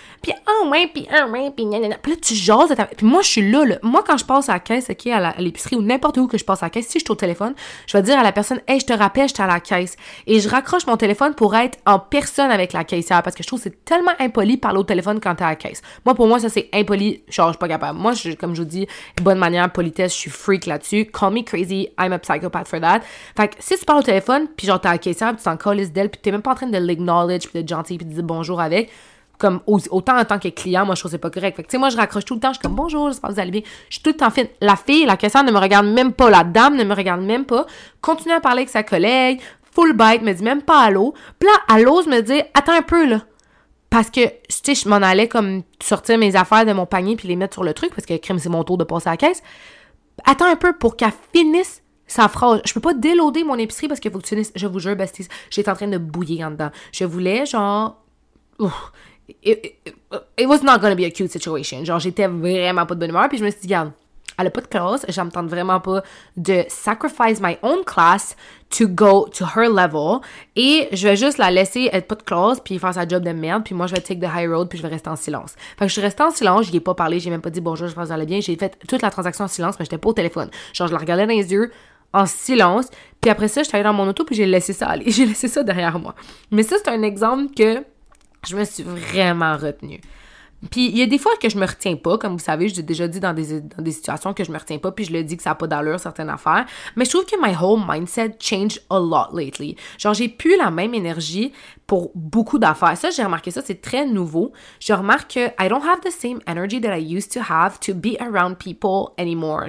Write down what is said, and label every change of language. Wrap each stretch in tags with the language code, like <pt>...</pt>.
<fr>puis puis moi je suis là, moi quand je passe à la caisse, ok, à l'épicerie ou n'importe où que je passe à la caisse, si je suis au téléphone, je vais dire à la personne, hey, je te rappelle, j'étais à la caisse, et je raccroche mon téléphone pour être en personne avec la caissière, parce que je trouve que c'est tellement impoli de parler au téléphone quand t'es à la caisse. Moi pour moi ça c'est impoli, genre je suis pas capable. Moi je, comme je vous dis, bonne manière, politesse, je suis freak là-dessus.</fr> <en>Call me crazy, I'm a psychopath for that.</en> <fr>Fait que si tu parles au téléphone, puis genre t'es à la caissière, puis tu t'en calisses d'elle, puis t'es même pas en train de l'acknowledge, puis d'être gentil, puis de dire bonjour avec. Comme autant en tant que client, moi je trouve que c'est pas correct. Fait que tu sais, moi je raccroche tout le temps, je suis comme bonjour, j'espère que vous allez bien. Je suis tout le temps fine. La fille, la caissière ne me regarde même pas, la dame ne me regarde même pas. Continue à parler avec sa collègue, full bite, me dit même pas allô. Puis là, elle ose me dire attends un peu là. Parce que, tu sais, je m'en allais comme sortir mes affaires de mon panier puis les mettre sur le truc parce que crime, c'est mon tour de passer à la caisse. Attends un peu pour qu'elle finisse sa phrase. Je peux pas déloader mon épicerie parce qu'il faut que tu finisses. Je vous jure, Bastis, j'étais en train de bouillir en dedans. Je voulais, genre...</fr> <en>It was not gonna be a cute situation.</en> <fr>Genre, j'étais vraiment pas de bonne humeur. Puis je me suis dit, regarde, elle a pas de classe. Je me tente vraiment pas de</fr> <en>sacrifice my own class to go to her level,</en> <fr>et je vais juste la laisser être pas de classe puis faire sa job de merde, puis moi je vais</fr> <en>take the high road</en> <fr>puis je vais rester en silence. Fait que je suis restée en silence, j'y ai pas parlé, j'ai même pas dit bonjour, je pense que ça allait bien, j'ai fait toute la transaction en silence, mais j'étais pas au téléphone. Genre je la regardais dans les yeux, en silence, puis après ça, j'étais allée dans mon auto puis j'ai laissé ça aller, j'ai laissé ça derrière moi. Mais ça, c'est un exemple que je me suis vraiment retenue. Puis il y a des fois que je me retiens pas, comme vous savez, je l'ai déjà dit dans des situations que je me retiens pas, puis je le dis que ça a pas d'allure certaines affaires, mais je trouve que</fr> <en>my whole mindset changed a lot lately.</en> <fr>Genre j'ai plus la même énergie pour beaucoup d'affaires. Ça, j'ai remarqué ça, c'est très nouveau. Je remarque que</fr> <en>I don't have the same energy that I used to have to be around people anymore.</en>